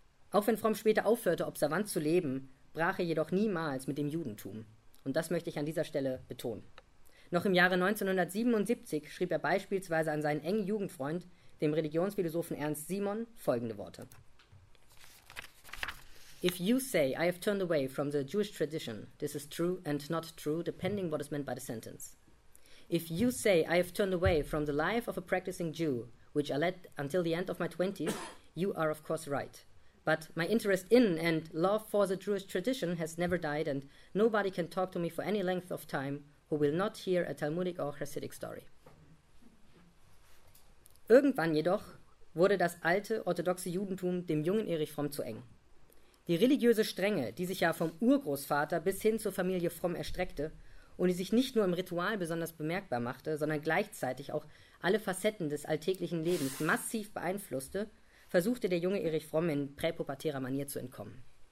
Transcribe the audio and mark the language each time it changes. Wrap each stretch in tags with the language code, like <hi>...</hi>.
<de>Auch wenn Fromm später aufhörte, observant zu leben, brach er jedoch niemals mit dem Judentum. Und das möchte ich an dieser Stelle betonen. Noch im Jahre 1977 schrieb er beispielsweise an seinen engen Jugendfreund, dem Religionsphilosophen Ernst Simon, folgende Worte.</de> <en>If you say, I have turned away from the Jewish tradition, this is true and not true, depending what is meant by the sentence. If you say, I have turned away from the life of a practicing Jew, which I led until the end of my 20s, you are of course right. But my interest in and love for the Jewish tradition has never died, and nobody can talk to me for any length of time who will not hear a Talmudic or Hasidic story.</en> <de>Irgendwann jedoch wurde das alte orthodoxe Judentum dem jungen Erich Fromm zu eng. Die religiöse Strenge, die sich ja vom Urgroßvater bis hin zur Familie Fromm erstreckte und die sich nicht nur im Ritual besonders bemerkbar machte, sondern gleichzeitig auch alle Facetten des alltäglichen Lebens massiv beeinflusste, versuchte der junge Erich Fromm in präpubertärer Manier zu entkommen.</de>